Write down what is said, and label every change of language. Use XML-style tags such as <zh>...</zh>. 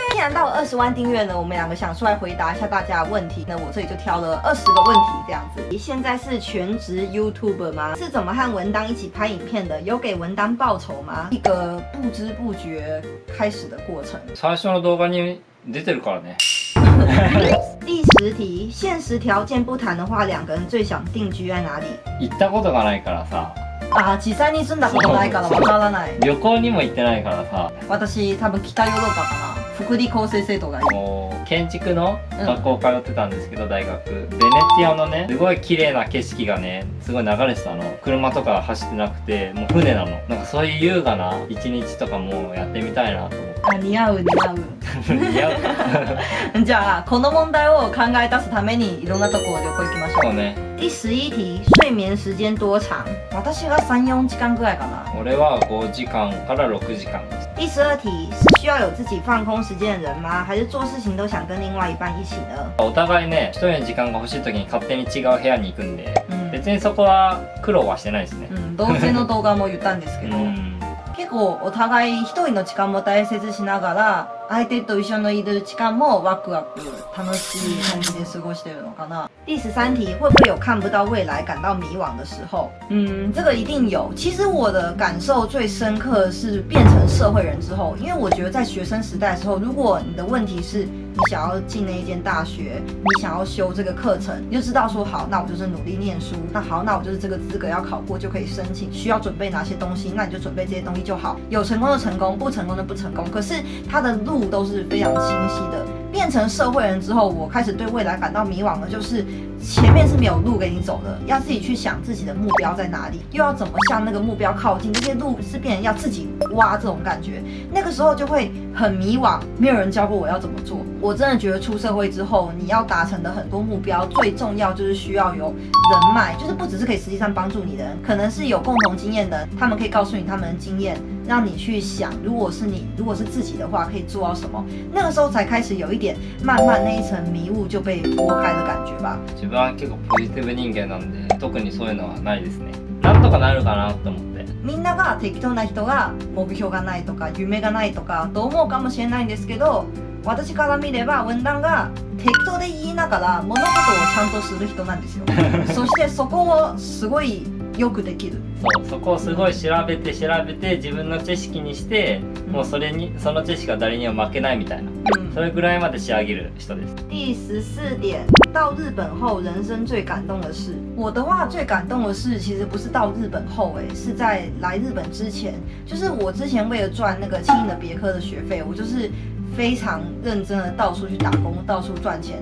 <zh>既然到了200,000订阅呢，我们两个想出来回答一下大家的问题。那我这里就挑了20个问题这样子。现在是全职 YouTuber 吗？是怎么和文当一起拍影片的？有给文当报酬吗？一个不知不觉开始的过程。</zh> <ja>最初の動画に出てるからね。</ja> <zh>第十题，现实条件不谈的话，两个人最想定居在哪里？</zh> <ja>行ったことがないからさ。啊，実際に住んだことないからわからない。旅行にも行ってないからさ。私多分北ヨーロッパかな。福利厚生制度がいい。もう建築の学校通ってたんですけど、大学。ベネチアのね、すごい綺麗な景色がね、すごい流れてたの。車とか走ってなくて、もう船なの。なんかそういう優雅な一日とかもやってみたいなと思って。あ、似合う似合う。似合う。じゃあこの問題を考え出すためにいろんなところ旅行行きましょう。そうね。</ja> <zh>第十一题，睡眠时间多长？</zh> <ja>私は3-4時間ぐらいかな。俺は5時間から6時間。</ja> <zh>第十二题，是需要有自己放空时间的人吗？还是做事情都想跟另外一半一起呢？</zh> <ja>お互いね、一人の時間が欲しいときに勝手に違う部屋に行くんで、別にそこは苦労はしてないですね。同性の動画も言ったんですけど。結構お互い一人の時間も大切しながら、相手と一緒のいる時間もワクワク楽しい感じで過ごしてるのかな。</ja> <zh>第十三题，会不会有看不到未来、感到迷惘的时候？这个一定有。其实我的感受最深刻是变成社会人之后，因为我觉得在学生时代的时候，如果你的问题是你想要进那一间大学，你想要修这个课程，你就知道说好，那我就是努力念书。那好，那我就是这个资格要考过就可以申请，需要准备哪些东西，那你就准备这些东西就好。有成功就成功，不成功就不成功。可是他的路都是非常清晰的。变成社会人之后，我开始对未来感到迷惘的，就是前面是没有路给你走的，要自己去想自己的目标在哪里，又要怎么向那个目标靠近，这些路是变成要自己挖这种感觉。那个时候就会很迷惘，没有人教过我要怎么做。我真的觉得出社会之后，你要达成的很多目标，最重要就是需要有人脉，就是不只是可以实际上帮助你的人，可能是有共同经验的，他们可以告诉你他们的经验，让你去想，如果是你，如果是自己的话，可以做到什么。那个时候才开始有一点慢慢那一层迷雾就被拨开的感觉吧。</zh> <ja>自分は結構ポジティブ人間なんで、特にそういうのはないですね。なんとかなるかなと思って。みんなが適当な人が目標がないとか夢がないとかと思うかもしれないんですけど、私から見れば文壇が適当で言いながら物事をちゃんとする人なんですよ。そしてそこをすごいよくできる。そう、そこをすごい調べて調べて自分の知識にして、もうそれにその知識が誰にも負けないみたいな、それぐらいまで仕上げる人です。</ja> <zh>第十四点，到日本后人生最感动的事。我的话最感动的事其实不是到日本后，是在来日本之前。就是我之前为了赚那个轻音的别科的学费，我就是非常认真的到处去打工，到处赚钱。</zh>